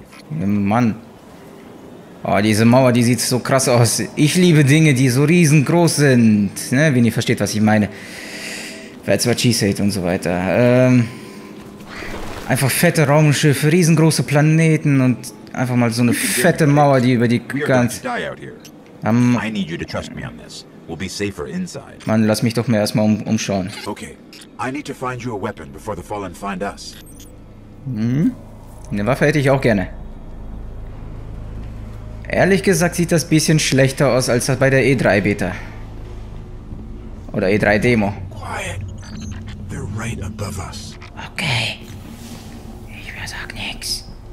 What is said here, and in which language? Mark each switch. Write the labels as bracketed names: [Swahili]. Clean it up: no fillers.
[German] Mann. Oh, diese Mauer, die sieht so krass aus. Ich liebe Dinge, die so riesengroß sind. Ne, wenn ihr versteht, was ich meine. [English] That's what she said [German] und so weiter. Einfach fette Raumschiffe, riesengroße Planeten und einfach mal so eine fette Mauer, die über die ganze... [English] I need you to trust me on this. We'll be safer inside. [German] Mann, lass mich doch mal erstmal umschauen. Okay. [English] I need to find you a weapon before the fallen find us. [German] Eine Waffe hätte ich auch gerne. Ehrlich gesagt sieht das ein bisschen schlechter aus als das bei der E3 Beta. Oder E3 Demo. [English] Quiet. They're right above us. [German] Okay. Ich mehr sag nix.